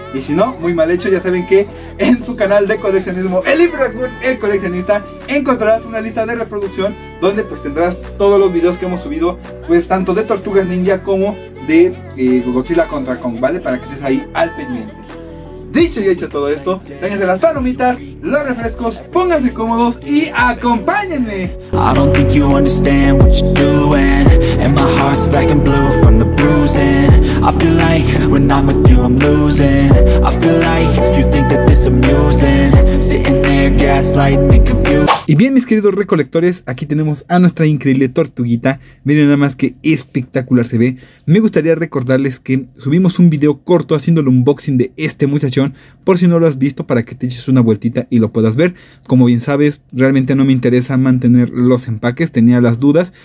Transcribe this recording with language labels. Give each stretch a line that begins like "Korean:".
Spanish: Y si no, muy mal hecho, ya saben que en su canal de coleccionismo, El Infragún, El Coleccionista, encontrarás una lista de reproducción donde pues tendrás todos los videos que hemos subido, pues tanto de Tortugas Ninja como de Godzilla contra Kong, ¿vale? Para que estés ahí al pendiente. Dicho y hecho todo esto, tráiganse las palomitas, los refrescos, pónganse cómodos y acompáñenme.
English: I don't think you understand what you're doing, and my heart's black and blue from the bruising. I feel like when I'm with you I'm losing. I feel like you think that this amusing, sitting there gaslighting and confused.
Spanish: Y bien, mis queridos recolectores, aquí tenemos a nuestra increíble tortuguita. Miren nada más que espectacular se ve. Me gustaría recordarles que subimos un video corto haciendo el unboxing de este muchachón, por si no lo has visto, para que te eches una vueltita y lo puedas ver. Como bien sabes, realmente no me interesa mantener los empaques, tenía las dudas.